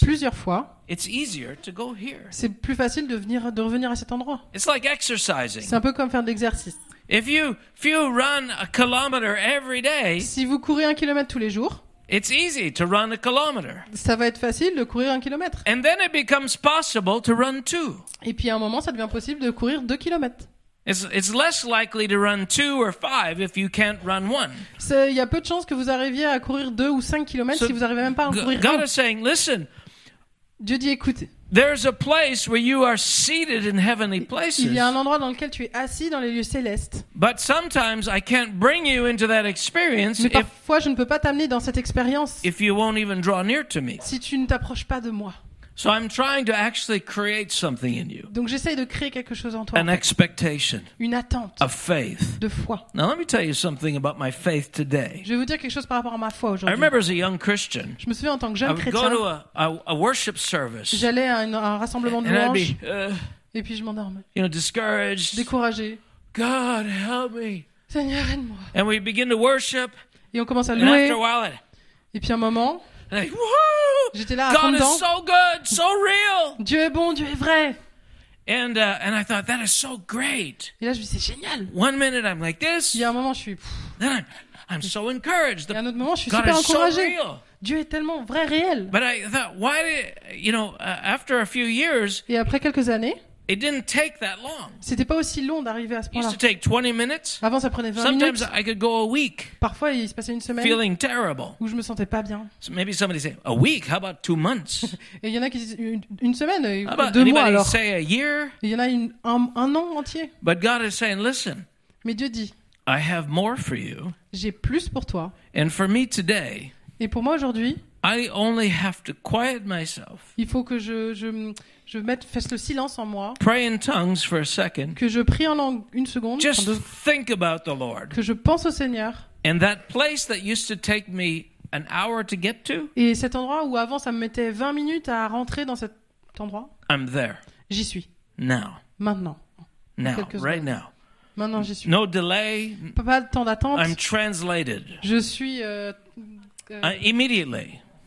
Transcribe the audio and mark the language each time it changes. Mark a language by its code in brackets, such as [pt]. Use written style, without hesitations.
[fr] plusieurs fois, [en] it's easier to go here. [fr] C'est plus facile de revenir à cet endroit. [en] It's like exercising. [fr] C'est un peu comme faire de l'exercice. [en] If you run a kilometer every day, [fr] si vous courez un kilomètre tous les jours, [en] it's easy to run a kilometer. [fr] Ça va être facile de courir un kilomètre. [en] And then it becomes possible to run two. [fr] Et puis à un moment, ça devient possible de courir deux kilomètres. [en] It's less likely to run two or five if you can't run one. [fr] Il y a peu de chances que vous arriviez à courir deux ou cinq kilomètres si vous n'arrivez même pas à en courir un. [en] God is saying, listen. [fr] Dieu dit, écoute. [en] There's a place where you are seated in heavenly places. [fr] Il y a un endroit dans lequel tu es assis dans les lieux célestes. [en] But sometimes I can't bring you into that experience. [fr] Mais parfois je ne peux pas t'amener dans cette expérience. [en] If you won't even draw near to me. [fr] Si tu ne t'approches pas de moi. [en] So I'm trying to actually create something in you. [fr] Donc j'essaie de créer quelque chose en toi. [en] An expectation. [fr] Une attente. [en] A faith. [fr] De foi. [en] Now let me tell you something about my faith today. [fr] Je vais vous dire quelque chose par rapport à ma foi aujourd'hui. [en] I remember as a young Christian. [fr] Je me souviens en tant que jeune chrétien. [en] I would go to a worship service. [fr] J'allais à un rassemblement de louanges. Et puis je m'endormais. [en] You know, discouraged. [fr] Découragé. [en] God help me. [fr] Seigneur aide-moi. [en] And we begin to worship. [fr] Et on commence à louer. [en] And after a while, [fr] et puis un moment. [en] Like, [fr] j'étais là à [en] God [fr] fond dedans. [en] Is so good, so real. [fr] Dieu est bon, Dieu est vrai. [en] And I thought that is so great. [fr] Et là je me dis c'est génial. [en] One minute I'm like this. [fr] Il y a un moment je suis. [en] Then I'm so encouraged. [fr] Et un autre moment je suis [en] God [fr] super encouragé. [en] So [fr] Dieu est tellement vrai, réel. [en] But I thought why did, you know after a few years. [fr] Et après quelques années. [en] It didn't take that long. [fr] C'était pas aussi long d'arriver à ce point-là. [en] It used to take 20 minutes. [fr] Avant, ça prenait 20 [en] Sometimes [fr] minutes. [en] Sometimes I could go a week. [fr] Parfois, il se passait une semaine. [en] Feeling terrible. [fr] Où je me sentais pas bien. [en] So maybe somebody say a week. How about 2 months? [fr] Et il y en a qui disent une semaine, [en] how [fr] deux [en] about [fr] mois [en] anybody [fr] alors. [en] Say a year? [fr] Il y en a un an entier. [en] But God is saying, listen. [fr] Mais Dieu dit. [en] I have more for you. [fr] J'ai plus pour toi. [en] And for me today. [fr] Et pour moi aujourd'hui. [en] I only have to quiet myself. [fr] Il faut que je mette fasse le silence en moi. [en] Pray in tongues for a second. [fr] Que je prie en langue une seconde. [en] Just think about the Lord. [fr] Que je pense au Seigneur. [en] And that place that used to take me an hour to get to. [fr] Et cet endroit où avant ça me mettait 20 minutes à rentrer dans cet endroit. [en] I'm there. [fr] J'y suis. [en] Now. [fr] Maintenant. [en] Now. Right now. [fr] Maintenant, j'y suis. [en] No delay. [fr] Pas de temps d'attente. [en] I'm translated. [fr] Je suis [en] immediately.